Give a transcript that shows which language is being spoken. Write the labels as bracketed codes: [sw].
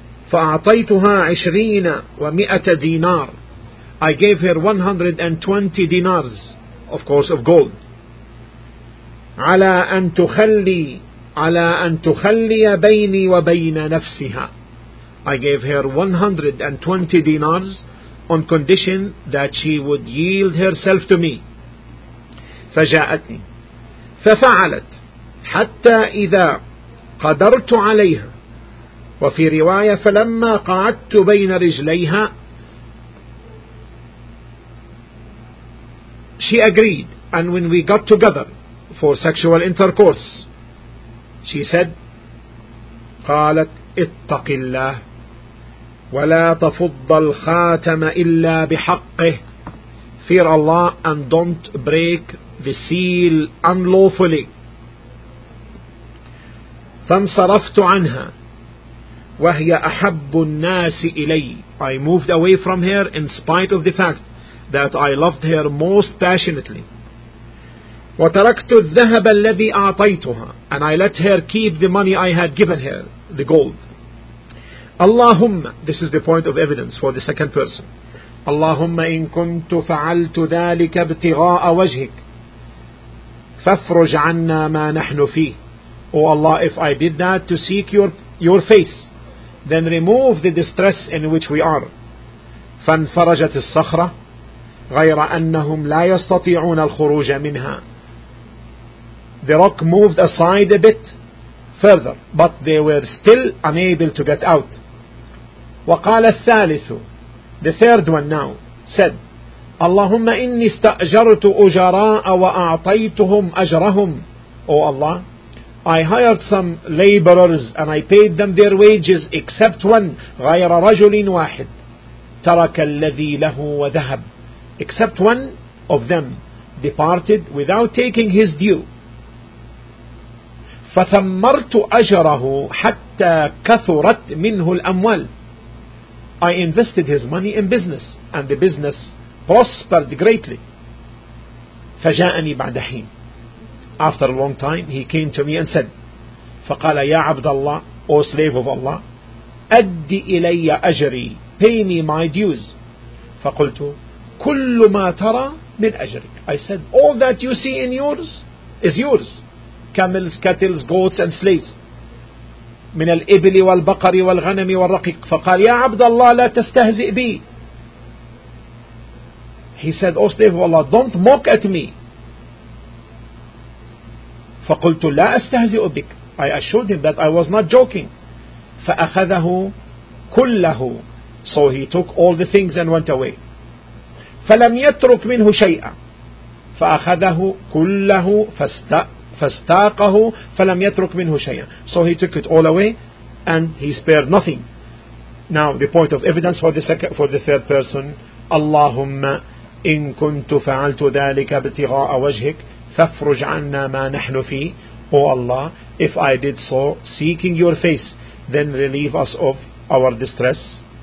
[ar] فأعطيتها 20 و100 دينار. [en] I gave her 120 dinars, of course of gold. [ar] على أن تخلي بيني وبين نفسها. [en] I gave her 120 dinars on condition that she would yield herself to me. [ar] فجاءتني. ففعلت. حتى إذا قدرت عليها. وفي رواية فلما قعدت بين رجليها. [en] She agreed. And when we got together for sexual intercourse, she said, [ar] قالت اتق الله. ولا تفض الخاتم إلا بحقه. [en] Fear Allah and don't break the seal unlawfully. [ar] فانصرفت عنها وهي أحب الناس إلي. [en] I moved away from her in spite of the fact that I loved her most passionately. [ar] وتركت الذهب الذي أعطيتها. [en] And I let her keep the money I had given her, the gold. اللهم, this is the point of evidence for the second person. [ar] اللهم إن كنت فعلت ذلك ابتغاء وجهك فافرج عنا ما نحن فيه. [en] O Allah, if I did that to seek your face, then remove the distress in which we are. [ar] فانفرجت الصخرة غير أنهم لا يستطيعون الخروج منها. [en] The rock moved aside a bit further, but they were still unable to get out. [ar] وقال الثالث, [en] the third one now, said, [ar] اللهم إني استأجرت أجراء وأعطيتهم أجرهم. [en] O Allah, I hired some laborers and I paid them their wages except one, [ar] غير رجل واحد, ترك الذي له وذهب, [en] except one of them departed without taking his due. [ar] فثمرت أجره حتى كثرت منه الأموال. [en] I invested his money in business and the business prospered greatly. [ar] فجاءني بعد حين. [en] After a long time, he came to me and said, [ar] فقال يا عبد الله, [en] O slave of Allah, [ar] أدي إلي أجري, [en] pay me my dues. [ar] فقلت كل ما ترى من أجرك. [en] I said, all that you see in yours is yours. Camels, cattle, goats and slaves. [ar] من الإبل والبقر والغنم والرقيق. فقال يا عبد الله لا تستهزئ بي. [en] He said, O slave of Allah, don't mock at me. [ar] فقلت لا أستهزئ بك. [en] I assured him that I was not joking. [ar] فأخذه كله. [en] So he took all the things and went away. [ar] فلم يترك منه شيئا. فأخذه كله فاستاقه فلم يترك منه شيئا. [en] So he took it all away and he spared nothing. Now the point of evidence for the second, for the third person. [ar] اللهم إن كنت فعلت ذلك ابتغاء وجهك فافرج عنا ما نحن فيه. [en] O Allah, if I did so seeking your face, then relieve us of our distress.